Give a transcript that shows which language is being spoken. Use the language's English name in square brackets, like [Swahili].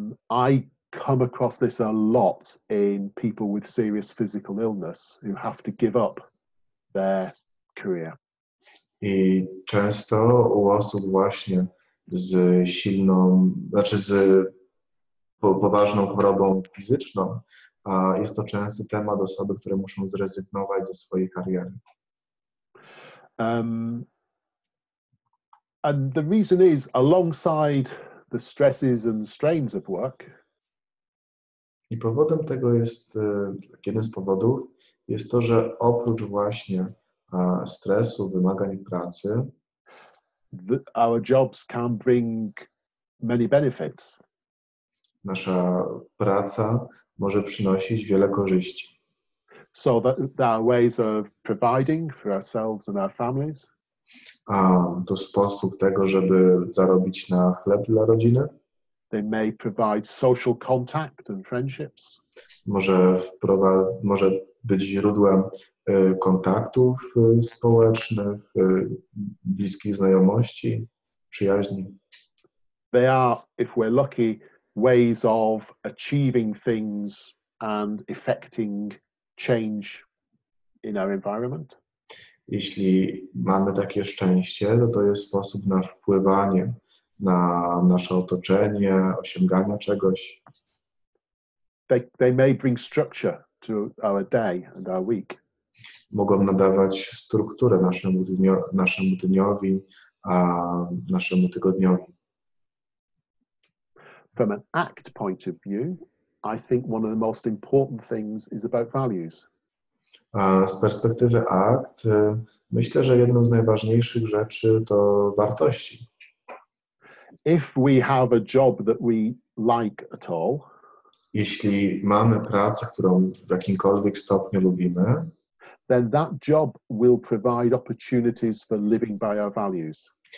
[English] I come across this a lot in people with serious physical illness who have to give up their career. [Polish] I często u osób właśnie z silną, znaczy z poważną chorobą fizyczną, a jest to częsty temat osoby, które muszą zrezygnować ze swojej kariery. [English] And the reason is, alongside the stresses and strains of work, [Polish] i powodem tego jest, jeden z powodów, jest to, że oprócz właśnie stresu, wymagań pracy, [English] our jobs can bring many benefits. [Polish] Nasza praca może przynosić wiele korzyści. [English] So that there are ways of providing for ourselves and our families. [Polish] A to sposób tego, żeby zarobić na chleb dla rodziny. [English] They may provide social contact and friendships. [Polish] Może być źródłem kontaktów społecznych, bliskich znajomości, przyjaźni. [English] They are, if we're lucky, ways of achieving things and effecting change in our environment. [Polish] Jeśli mamy takie szczęście, to jest sposób na wpływanie na nasze otoczenie, osiąganie czegoś. [English] They may bring structure to our day and our week. [Polish] Mogą nadawać strukturę naszemu dniowi, a naszemu tygodniowi. [English] From an ACT point of view, I think one of the most important things is about values. [Polish] Z perspektywy ACT, myślę, że jedną z najważniejszych rzeczy to wartości. [English] If we have a job that we like at all, [Polish] jeśli mamy pracę, którą w jakimkolwiek stopniu lubimy, [English] then that job will provide opportunities for living by our values.